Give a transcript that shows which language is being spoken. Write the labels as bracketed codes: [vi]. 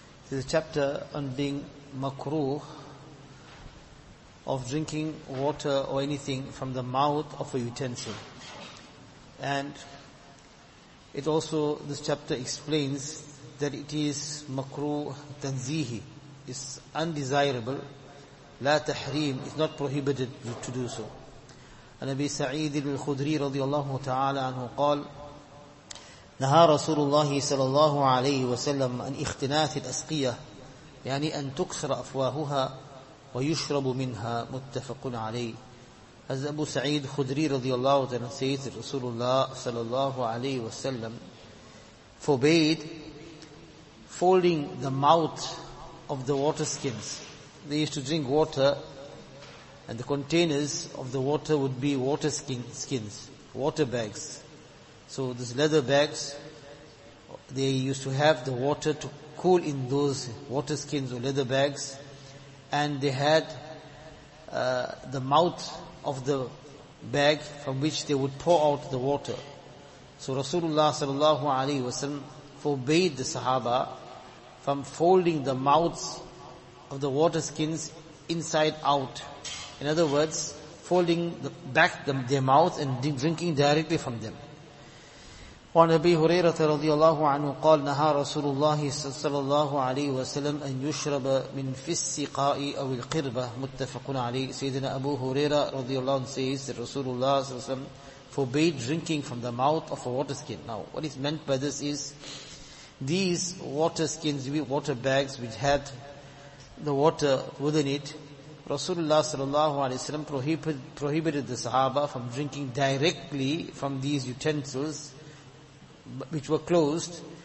[en] This is a chapter on being makruh of drinking water or anything from the mouth of a utensil. And it also, this chapter explains that it is makruh tanzihi, it's undesirable, la tahrim, it's not prohibited to do so. [ar] النبي سعيد الخدري رضي الله تعالى عنه قال نهى رسول الله صلى الله عليه وسلم أن اختناث الأسقية يعني أن تكسر أفواهها ويشرب منها متفق عليه. هذا أبو سعيد الخدري رضي الله تعالى عنه سيد رسول الله صلى الله عليه وسلم [en] forbade folding the mouth of the water skins. They used to drink water, and the containers of the water would be water skins, water bags. So these leather bags, they used to have the water to cool in those water skins or leather bags. And they had the mouth of the bag from which they would pour out the water. So Rasulullah sallallahu alaihi wasallam forbade the Sahaba from folding the mouths of the water skins inside out. In other words, folding the back their mouth and drinking directly from them. [ar] وعن أبي هريرة رضي الله عنه قال نهى رسول الله صلى الله عليه وسلم أن يشرب من في السقاء أو القربة متفق عليه. سيدنا أبو هريرة رضي الله عنه [en] says that Rasulullah [ar] صلى الله عليه وسلم [en] forbade drinking from the mouth of a water skin. Now, what is meant by this is these water skins, water bags which had the water within it, Rasulullah sallallahu alaihi wasallam prohibited the Sahaba from drinking directly from these utensils which were closed.